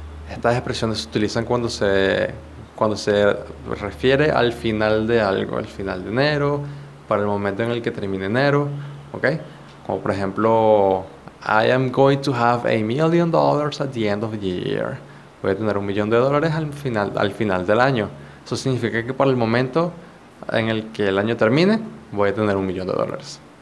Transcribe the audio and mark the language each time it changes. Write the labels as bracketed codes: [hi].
[es] Estas expresiones se utilizan cuando se refiere al final de algo, al final de enero, para el momento en el que termine enero. ¿Okay? Como por ejemplo, [en] I am going to have $1,000,000 at the end of the year. [es] Voy a tener $1,000,000 al final del año. Eso significa que para el momento en el que el año termine, voy a tener $1,000,000.